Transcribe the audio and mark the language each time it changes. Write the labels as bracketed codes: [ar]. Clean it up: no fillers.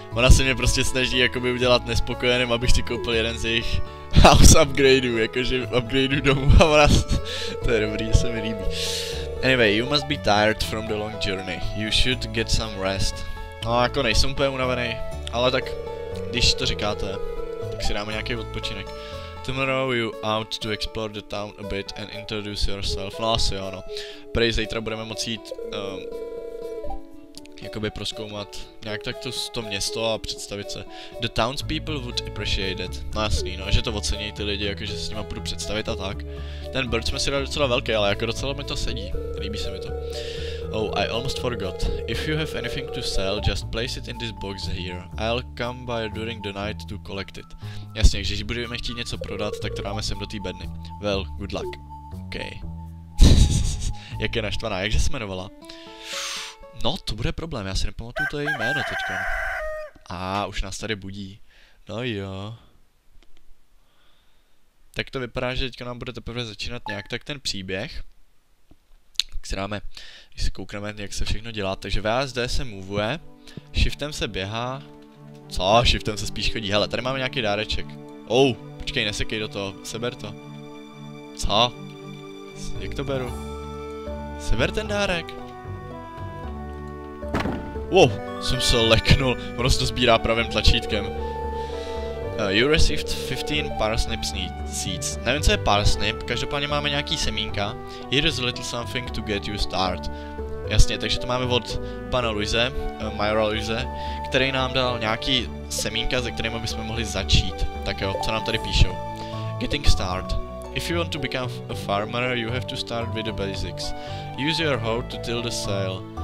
[cs] Ona se mě prostě snaží jakoby udělat nespokojeným, abych si koupil jeden z jejich house upgradeů, jakože upgradeů domů a ona... To je dobrý, se mi líbí. [en] Anyway, you must be tired from the long journey. You should get some rest. [cs] No, jako nejsem úplně unavený, ale tak když to říkáte, tak si dáme nějaký odpočinek. [en] Tomorrow you out to explore the town a bit and introduce yourself. [cs] No asi jo, no. Prej zítra budeme moci jít jakoby prozkoumat nějak tak to město a představit se. [en] The townspeople would appreciate it. [cs] No jasný, no, že to ocení ty lidi, jakože se s nima budu představit a tak. Ten bird jsme si dali docela velký, ale jako docela mi to sedí. Líbí se mi to. [en] Oh, I almost forgot. If you have anything to sell, just place it in this box here. I'll come by during the night to collect it. [cs] Jasně, když budeme chtít něco prodat, tak to dáme sem do té bedny. [en] Well, good luck. Okay. [cs] Jak je naštvaná, jakže se jmenovala? No, to bude problém, já si nepamatuju to její jméno teďka. Už nás tady budí. No jo. Tak to vypadá, že teďka nám bude teprve začínat nějak tak ten příběh. Si dáme, když se koukneme, jak se všechno dělá, takže VASD se moveuje, shiftem se běhá, co, shiftem se spíš chodí, hele, tady máme nějaký dáreček, ou, počkej, nesekej do toho, seber to, co, jak to beru, seber ten dárek, wow, jsem se leknul, ono se to sbírá pravým tlačítkem, [en] you received 15 parsnip seeds. [cs] Nevím, co je parsnip, každopádně máme nějaký semínka. [en] Here's a little something to get you start. [cs] Jasně, takže to máme od pana Luise, Majora Luise, který nám dal nějaký semínka, ze kterými bychom mohli začít. Tak jo, co nám tady píšou. [en] Getting start. If you want to become a farmer, you have to start with the basics. Use your hoe to till the soil.